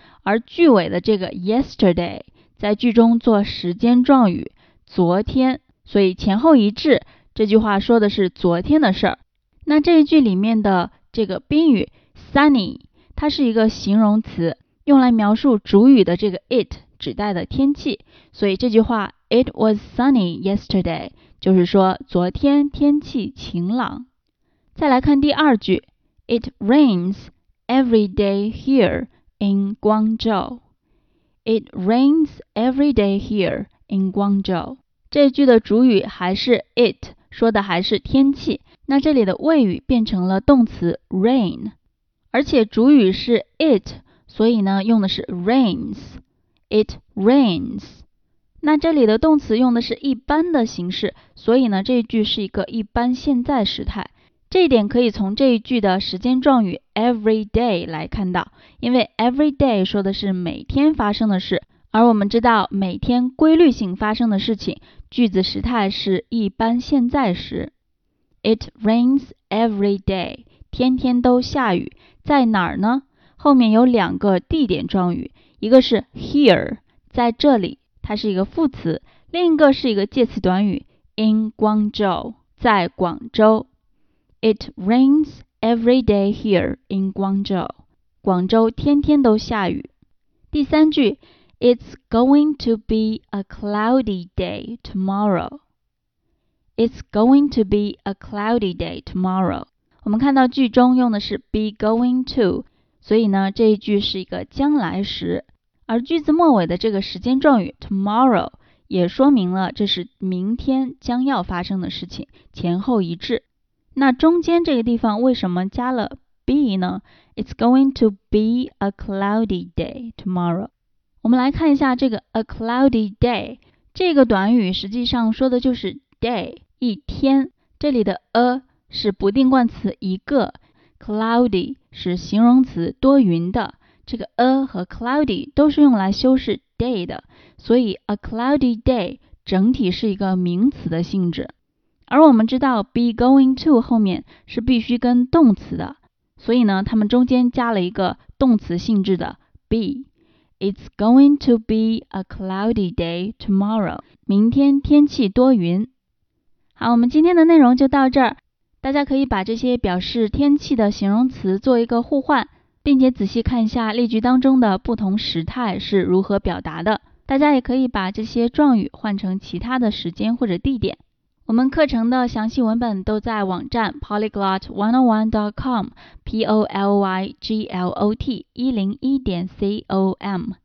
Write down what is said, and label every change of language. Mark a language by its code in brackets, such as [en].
[zh] 而句尾的这个 yesterday 在句中做时间状语，昨天，所以前后一致，这句话说的是昨天的事儿。那这一句里面的这个宾语 sunny,它是一个形容词，用来描述主语的这个 it 指代的天气，所以这句话 [en] It was sunny yesterday [zh] 就是说昨天天气晴朗。再来看第二句， [en] It rains every day here in Guangzhou. It rains every day here in Guangzhou. [zh] 这句的主语还是 it， 说的还是天气，那这里的谓语变成了动词 rain， 而且主语是 it， 所以呢用的是 rains。 It rains， 那这里的动词用的是一般的形式，所以呢这一句是一个一般现在时态，这一点可以从这一句的时间状语 every day 来看到，因为 every day 说的是每天发生的事，而我们知道每天规律性发生的事情，句子时态是一般现在时。 [en] It rains every day， [zh] 天天都下雨，在哪儿呢？后面有两个地点状语，一个是 here， 在这里，它是一个副词，另一个是一个介词短语 in Guangzhou， 在广州。 [en] It rains every day here in Guangzhou. [zh] 广州天天都下雨。第三句， [en] It's going to be a cloudy day tomorrow. It's going to be a cloudy day tomorrow. [zh] 我们看到句中用的是 be going to， 所以呢这一句是一个将来时，而句子末尾的这个时间状语 tomorrow 也说明了这是明天将要发生的事情，前后一致。那中间这个地方为什么加了 be 呢？ [en] It's going to be a cloudy day tomorrow. [zh] 我们来看一下这个 a cloudy day， 这个短语实际上说的就是 day， 一天。这里的 a 是不定冠词一个， cloudy 是形容词多云的，这个 a 和 cloudy 都是用来修饰 day 的，所以 a cloudy day 整体是一个名词的性质。而我们知道 be going to 后面是必须跟动词的，所以呢他们中间加了一个动词性质的 be。 [en] It's going to be a cloudy day tomorrow， [zh] 明天天气多云。好，我们今天的内容就到这儿，大家可以把这些表示天气的形容词做一个互换，并且仔细看一下例句当中的不同时态是如何表达的，大家也可以把这些状语换成其他的时间或者地点。我们课程的详细文本都在网站 polyglot101.com， polyglot101.com。